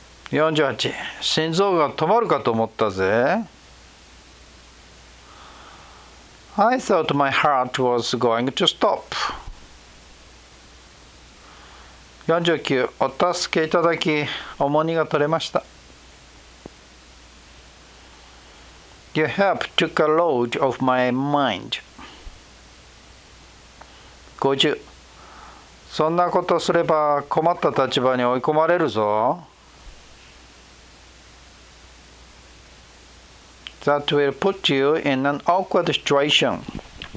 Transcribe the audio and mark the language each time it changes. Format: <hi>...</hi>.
<ja>48、心臓が止まるかと思ったぜ。</ja> <en>I thought my heart was going to stop.</en> <ja>49、お助けいただき、重荷が取れました。</ja> <en>Your help took a load off my mind.</en> <ja>50、そんなことすれば困った立場に追い込まれるぞ。</ja> <en>That will put you in an awkward situation.</en>